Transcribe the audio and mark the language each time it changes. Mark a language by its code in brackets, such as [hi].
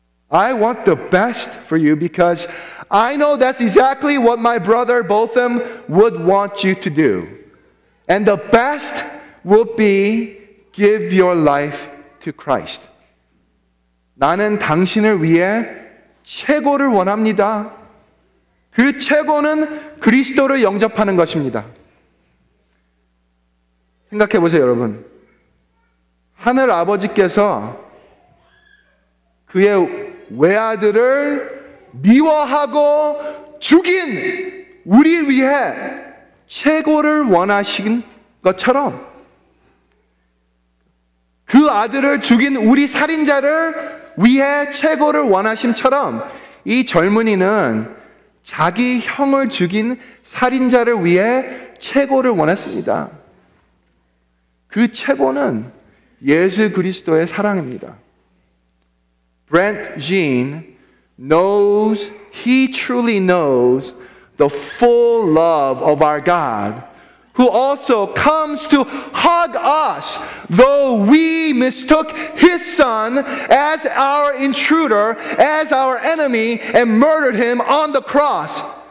[en] I want the best for you because I know that's exactly what my brother Botham would want you to do. And the best would be give your life to Christ. [ko] 나는 당신을 위해 최고를 원합니다. 그 최고는 그리스도를 영접하는 것입니다. 생각해 보세요, 여러분. 하늘 아버지께서 그의 외아들을 미워하고 죽인 우리 위해 최고를 원하신 것처럼 그 아들을 죽인 우리 살인자를 위해 최고를 원하심처럼 이 젊은이는 자기 형을 죽인 살인자를 위해 최고를 원했습니다. 그 최고는 예수 그리스도의 사랑입니다. [en] Brent Jean knows, he truly knows the full love of our God, who also comes to hug us, though we mistook his son as our intruder, as our enemy, and murdered him on the cross.